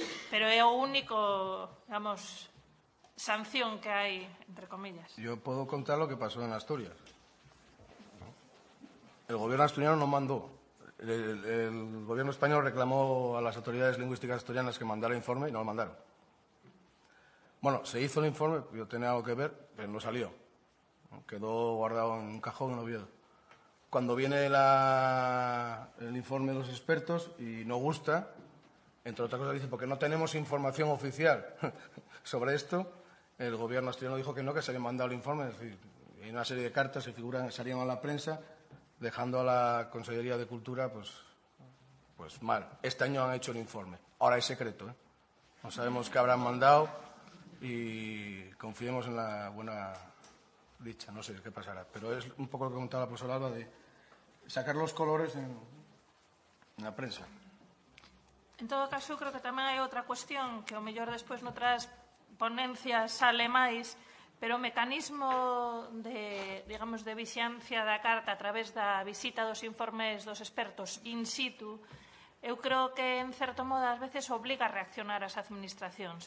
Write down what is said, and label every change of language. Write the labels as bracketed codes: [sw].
[gl] Pero é o único, digamos, sanción que hai, entre comillas. [es] Yo podo contar lo que pasó en Asturias. El gobierno asturiano no mandó. El gobierno español reclamó a las autoridades lingüísticas asturianas que mandara informe y no lo mandaron. Bueno, se hizo el informe, yo tenía algo que ver, pero no salió. Quedó guardado en un cajón en Oviedo. Cuando viene el informe de los expertos y no gusta, entre otras cosas dice, porque no tenemos información oficial sobre esto, el gobierno asturiano dijo que no, que se había mandado el informe. Es decir, hay una serie de cartas que figuran, salían a la prensa, dejando a la Consellería de Cultura, pues mal. Este año han hecho el informe. Ahora es secreto, ¿eh? No sabemos qué habrán mandado y confiemos en la buena dicha. No sé qué pasará. Pero es un poco lo que contaba la profesora Alba, de sacar los colores en la prensa. En todo caso, creo que también hay otra cuestión, que [gl] o mellor [es] después en otras ponencias sale más... [gl] Pero o mecanismo de, digamos, de vixiancia da carta a través da visita dos informes dos expertos in situ, eu creo que, en certo modo, ás veces obliga a reaccionar ás administracións.